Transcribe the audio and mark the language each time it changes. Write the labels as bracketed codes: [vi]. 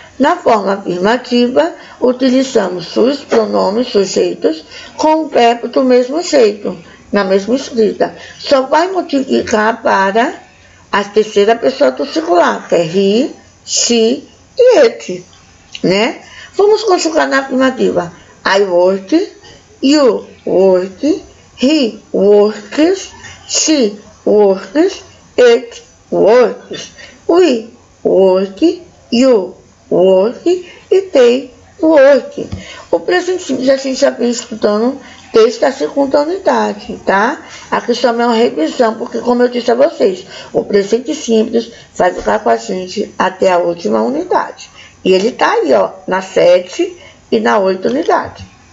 [pt] Na forma afirmativa, utilizamos os pronomes sujeitos com o verbo do mesmo jeito, na mesma escrita. Só vai modificar para a terceira pessoa do singular, que é he, she e it, né? Vamos conjugar na afirmativa. [en] I work, you work, he works, she works, it works. We work, you work e they work. [pt] O presente simples a gente já vem estudando desde a segunda unidade, tá? Aqui só é uma revisão, porque como eu disse a vocês, o presente simples vai ficar com a gente até a última unidade. E ele tá aí, ó, na 7 e na 8 unidade.